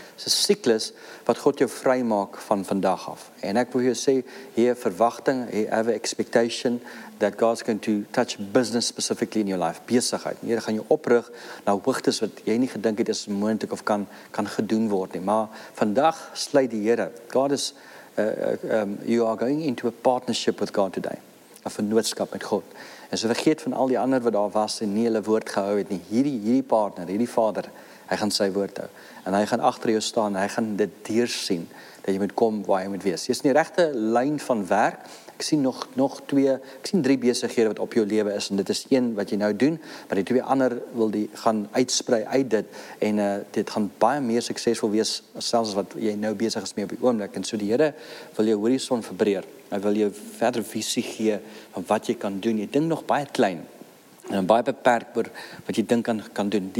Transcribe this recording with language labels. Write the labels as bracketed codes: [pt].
[af] Dit is 'n siklus wat God jou vry maak van vandag af. En ek wil jou sê, jy het verwagting, jy [en] have an expectation, that God's going to touch business specifically in your life, [af] besigheid. Jy gaan jou oprig na hoogtes wat jy nie gedink het is moontlik of kan gedoen word nie. Maar vandag sluit die Here. [en] God is, you are going into a partnership with God today. [af] A vennootskap met God. En so vergeet van al die ander wat daar was en nie hulle woord gehou het nie. Hierdie partner, hierdie vader, hy gaan sy woord hou. En hy gaan agter jou staan, hy gaan dit deursien, dat jy moet kom waar jy moet wees. Jy is in die regte lyn van werk. Ek sien drie besighede wat op jou lewe is, en dit is een wat jy nou doen, maar die twee ander wil die gaan uitsprei uit dit, en dit gaan baie meer suksesvol wees, selfs wat jy nou besig is mee op die oomblik, en so die Here wil jou horizon verbreer, hy wil jou verder visie gee van wat jy kan doen. Jy dink nog baie klein, en baie beperk oor wat jy dink kan doen.